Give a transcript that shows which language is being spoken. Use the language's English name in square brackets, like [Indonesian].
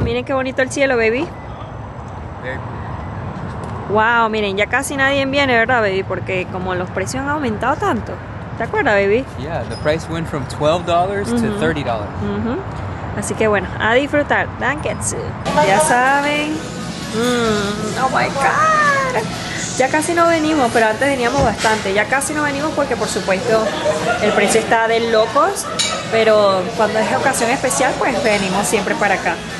[Spanish] Miren qué bonito el cielo, baby. Wow, miren, ya casi nadie viene, ¿verdad, baby? Porque como los precios han aumentado tanto. ¿Te acuerdas, baby? [English] Yeah, the price went from $12 uh-huh. to $30. Uh-huh. [Spanish] Así que bueno, a disfrutar. Danketsu. Ya saben. [English] Oh my God. [Spanish] Ya casi no venimos, pero antes veníamos bastante. Ya casi no venimos porque, por supuesto, el precio está de locos. Pero cuando es ocasión especial, pues venimos siempre para acá.